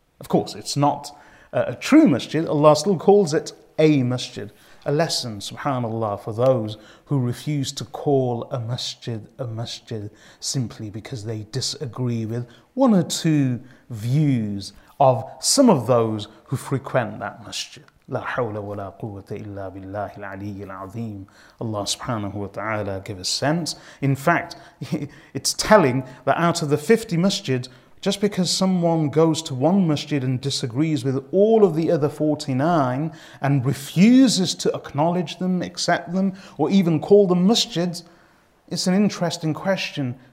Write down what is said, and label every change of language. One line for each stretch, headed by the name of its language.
English: Of course, it's not a true masjid. Allah still calls it a masjid. A lesson, subhanAllah, for those who refuse to call a masjid simply because they disagree with one or two views of some of those who frequent that masjid.
Arabic: لا حول ولا قوة إلا بالله العلي العظيم.
English: Allah subhanahu wa ta'ala give us sense. In fact, it's telling that out of the 50 masjids, just because someone goes to one masjid and disagrees with all of the other 49 and refuses to acknowledge them, accept them, or even call them masjids, it's an interesting question.